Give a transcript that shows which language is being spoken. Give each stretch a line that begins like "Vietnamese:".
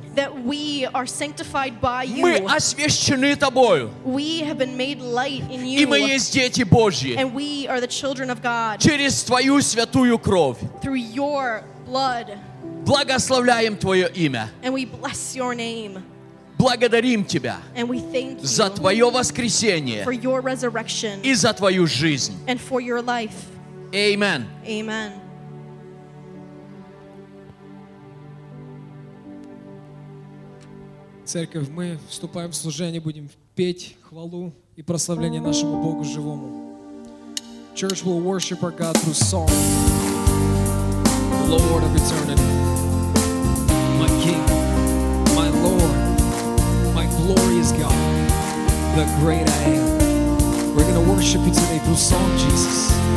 English: That we are sanctified by you.
Russian: Мы освящены тобою.
English: We have been made light in you.
Russian: И мы есть дети Божьи.
English: And we are the children of God.
Russian: Через твою святую кровь.
English: Through your blood.
Russian: Благословляем Твое имя.
English: And we bless your name.
Russian: Благодарим Тебя
English: and we thank you
Russian: за Твое воскресение
English: for your resurrection
Russian: и за Твою жизнь.
English: And for your life. Amen. Amen.
Russian: Церковь, мы вступаем в служение, будем петь хвалу и прославление нашему Богу живому.
English: Church will worship our God through song. Lord of eternity, my King, my Lord, my glorious God, the great I am. We're going to worship you today through song, Jesus.